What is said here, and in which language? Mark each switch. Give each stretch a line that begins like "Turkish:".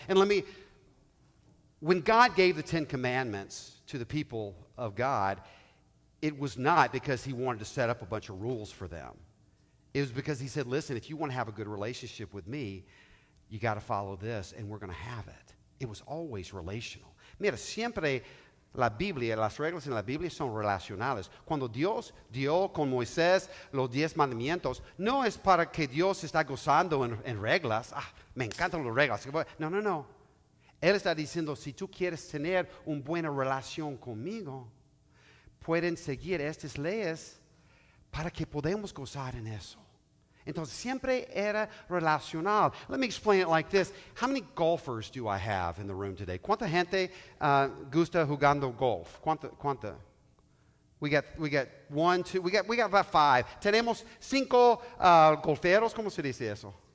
English: And let me, when God gave the Ten Commandments to the people of God, it was not because he wanted to set up a bunch of rules for them. It was because he said, listen, if you want to have a good relationship with me, you got to follow this, and we're going to have it. It was always relational.
Spanish: Mira, siempre la Biblia, las reglas en la Biblia son relacionales. Cuando Dios dio con Moisés los 10 mandamientos, no es para que Dios está gozando en reglas. Ah, me encantan las reglas. No, no, no. Él está diciendo, si tú quieres tener una buena relación conmigo, pueden seguir estas leyes para que podamos gozar en eso. Entonces, siempre era relacional.
English: Let me explain it like this. How many golfers do I have in the room today?
Spanish: ¿Cuánta gente gusta jugando golf? ¿Cuánta?
English: We got one, two, we got about five.
Spanish: Tenemos cinco golferos, ¿cómo se dice eso?